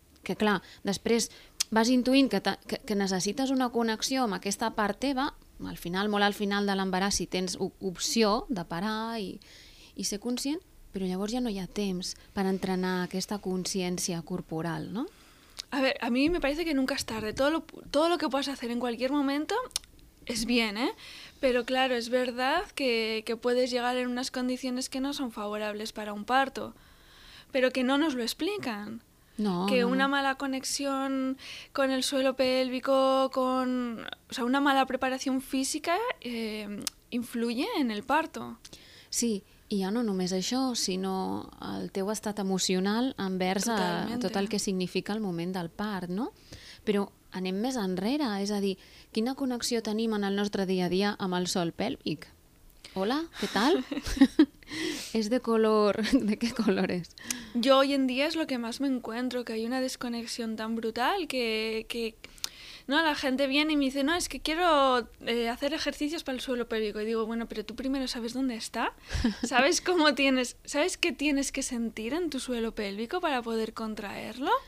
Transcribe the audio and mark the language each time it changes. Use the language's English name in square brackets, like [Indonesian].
[Catalan] Que clar, després vas intuint que necessites una connexió amb aquesta part teva, al final, molt al final de l'embaràs, si tens opció de parar i ser conscient, però llavors ja no hi ha temps per entrenar aquesta consciència corporal, no? [Spanish] A ver, a mí me parece que nunca es tarde. Todo lo que puedas hacer en cualquier momento es bien, ¿eh? Pero claro, es verdad que puedes llegar en unas condiciones que no son favorables para un parto, pero que no nos lo explican. No, Que no, una no. mala conexión con el suelo pélvico, con, o sea, una mala preparación física influye en el parto. [Catalan] Sí, i ja no només això, sinó el teu estat emocional envers a tot el que significa el moment del part, no? Però anem més enrere, és a dir, quina connexió tenim en el nostre dia a dia amb el sol pèlvic? Hola, què tal? És de color... De què color és? [Spanish] Yo hoy en día es lo que más me encuentro, que hay una desconexión tan brutal que no, la gente viene y me dice, no, es que quiero hacer ejercicios para el suelo pélvico. Y digo, bueno, pero tú primero sabes dónde está, sabes cómo tienes, sabes qué tienes que sentir en tu suelo pélvico para poder contraerlo.